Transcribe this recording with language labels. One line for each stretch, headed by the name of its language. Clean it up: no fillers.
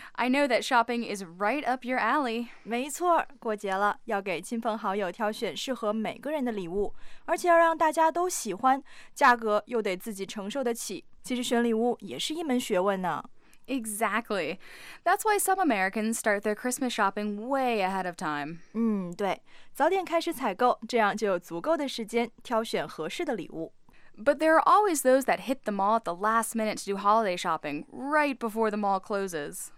English: I know that shopping is right up your alley.
Chinese: 没错，过节了，要给亲朋好友挑选适合每个人的礼物，而且要让大家都喜欢，价格又得自己承受得起。其实选礼物也是一门学问呢。
English: Exactly. That's why some Americans start their Christmas shopping way ahead of time.
Chinese: 对，早点开始采购，这样就有足够的时间挑选合适的礼物。
English: But there are always those that hit the mall at the last minute to do holiday shopping, right before the mall closes.